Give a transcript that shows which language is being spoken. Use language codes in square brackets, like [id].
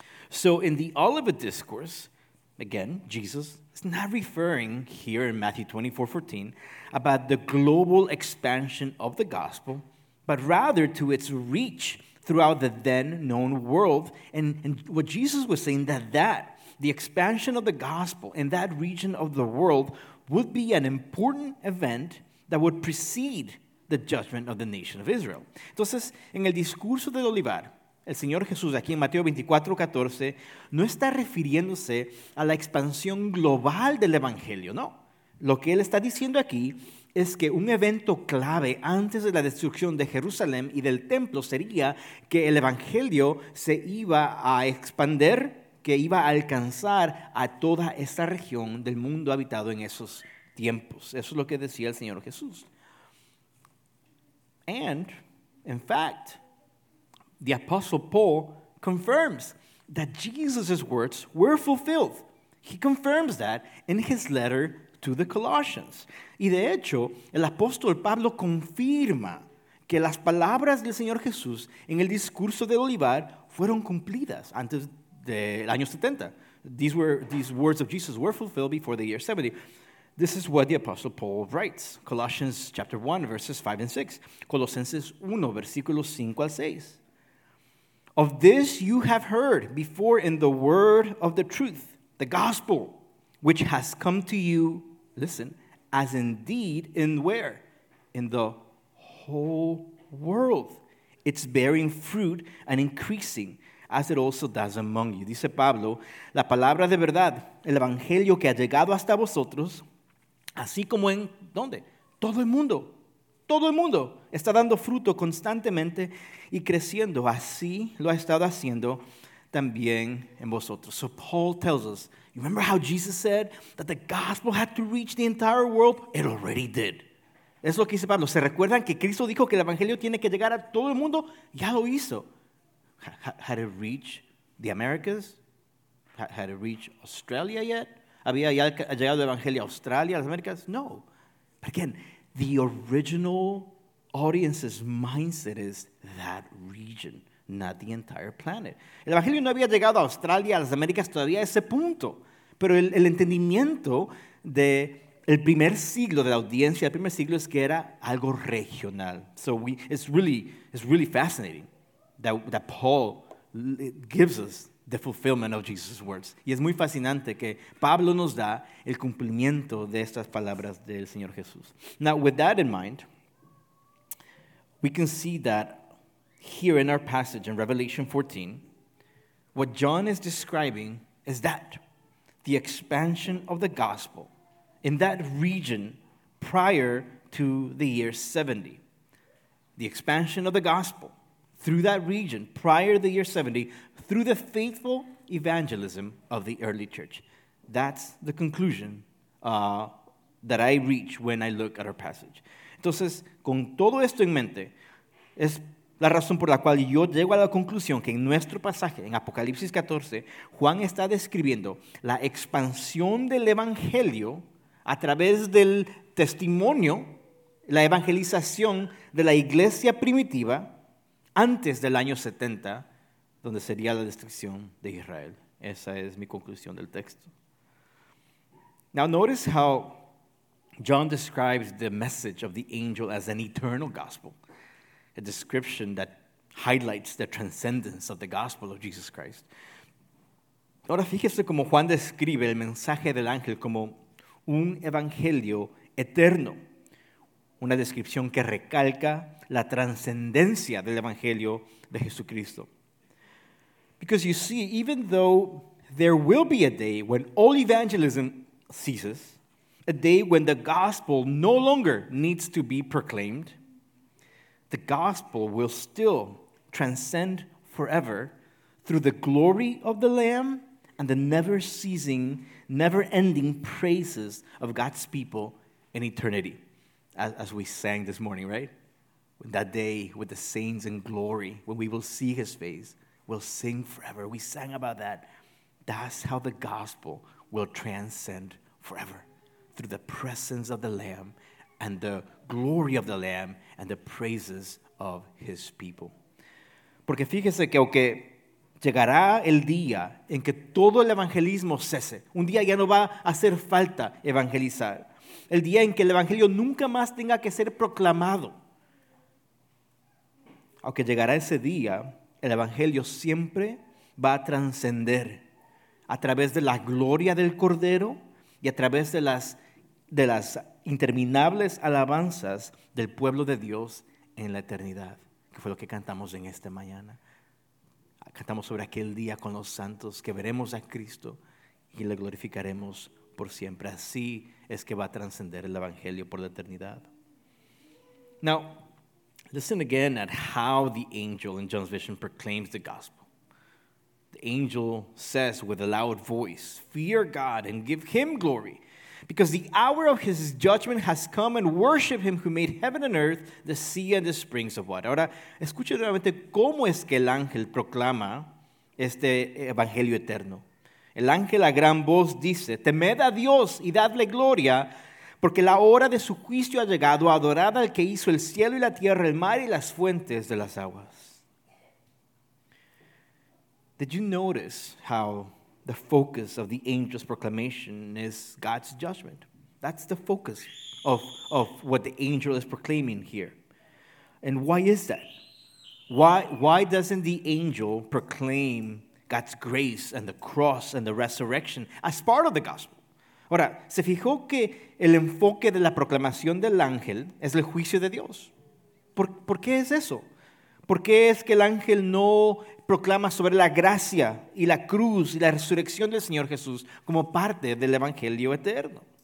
[en] So in the Olivet Discourse, again, Jesus is not referring here in Matthew 24:14 about the global expansion of the gospel, but rather to its reach throughout the then known world. And what Jesus was saying, that the expansion of the gospel in that region of the world would be an important event that would precede the judgment of the nation of Israel. [es] Entonces, en el discurso del Olivar, el Señor Jesús, aquí en Mateo 24:14, no está refiriéndose a la expansión global del Evangelio, no. Lo que él está diciendo aquí es que un evento clave antes de la destrucción de Jerusalén y del templo sería que el evangelio se iba a expandir, que iba a alcanzar a toda esta región del mundo habitado en esos tiempos. Eso es lo que decía el Señor Jesús. [en] And, in fact, the Apostle Paul confirms that Jesus' words were fulfilled. He confirms that in his letter to the Colossians. [es] Y de hecho, el apóstol Pablo confirma que las palabras del Señor Jesús en el discurso del Olivar fueron cumplidas antes del año 70. [en] These words of Jesus were fulfilled before the year 70. This is what the Apostle Paul writes. Colossians chapter 1, verses 5 and 6. [es] Colosenses 1, versículos 5 al 6. [en] Of this you have heard before in the word of the truth, the gospel, which has come to you, listen, as indeed in where? In the whole world. It's bearing fruit and increasing, as it also does among you. [es] Dice Pablo, la palabra de verdad, el evangelio que ha llegado hasta vosotros, así como en, ¿dónde? Todo el mundo está dando fruto constantemente y creciendo. Así lo ha estado haciendo también en vosotros. [en] So Paul tells us, you remember how Jesus said that the gospel had to reach the entire world? It already did. [es] Es lo que dice Pablo. ¿Se recuerdan que Cristo dijo que el evangelio tiene que llegar a todo el mundo? Ya lo hizo. [en] Had it reached the Americas? Had it reached Australia yet? [es] ¿Había ya llegado el evangelio a Australia, a las Américas? [en] No. But again, the original audience's mindset is that region, not the entire planet. [es] El evangelio no había llegado a Australia, a las Américas todavía a ese punto. Pero el entendimiento del primer siglo, de la audiencia del primer siglo, es que era algo regional. [en] So it's really fascinating that Paul gives us the fulfillment of Jesus' words. [es] Y es muy fascinante que Pablo nos da el cumplimiento de estas palabras del Señor Jesús. [en] Now, with that in mind, we can see that here in our passage in Revelation 14, what John is describing is that the expansion of the gospel in that region prior to the year 70. The expansion of the gospel through that region prior to the year 70 through the faithful evangelism of the early church. That's the conclusion that I reach when I look at our passage. [es] Entonces, con todo esto en mente, es la razón por la cual yo llego a la conclusión que en nuestro pasaje, en Apocalipsis 14, Juan está describiendo la expansión del evangelio a través del testimonio, la evangelización de la iglesia primitiva antes del año 70, donde sería la destrucción de Israel. Esa es mi conclusión del texto. [en] Now notice how John describes the message of the angel as an eternal gospel, a description that highlights the transcendence of the gospel of Jesus Christ. [es] Ahora fíjese cómo Juan describe el mensaje del ángel como un evangelio eterno, una descripción que recalca la transcendencia del evangelio de Jesucristo. [en] Because you see, even though there will be a day when all evangelism ceases, a day when the gospel no longer needs to be proclaimed, the gospel will still transcend forever through the glory of the Lamb and the never-ceasing, never-ending praises of God's people in eternity. As we sang this morning, right? That day with the saints in glory, when we will see his face, we'll sing forever. We sang about that. That's how the gospel will transcend forever, through the presence of the Lamb and the glory of the Lamb and the praises of his people. [es] Porque fíjese que aunque llegará el día en que todo el evangelismo cese, un día ya no va a hacer falta evangelizar, el día en que el evangelio nunca más tenga que ser proclamado, aunque llegará ese día, el evangelio siempre va a trascender a través de la gloria del Cordero y a través de las interminables alabanzas del pueblo de Dios en la eternidad, que fue lo que cantamos en esta mañana. Cantamos sobre aquel día con los santos que veremos a Cristo y le glorificaremos por siempre. Así es que va a trascender el evangelio por la eternidad. [en] Now, listen again at how the angel in John's vision proclaims the gospel. The angel says with a loud voice, "Fear God and give him glory, because the hour of his judgment has come, and worship him who made heaven and earth, the sea and the springs of water." [es] Ahora, escuche nuevamente cómo es que el ángel proclama este evangelio eterno. El ángel a gran voz dice, "Temed a Dios y dadle gloria, porque la hora de su juicio ha llegado. Adorad al que hizo el cielo y la tierra, el mar y las fuentes de las aguas." [en] Did you notice how the focus of the angel's proclamation is God's judgment? That's the focus of what the angel is proclaiming here. And why is that? Why doesn't the angel proclaim God's grace and the cross and the resurrection as part of the gospel? [es] Ahora, ¿se fijó que el enfoque de la proclamación del ángel es el juicio de Dios? ¿Por qué es eso? ¿Por qué es que el ángel no proclama sobre la gracia y la cruz y la resurrección del Señor Jesús como parte del evangelio eterno?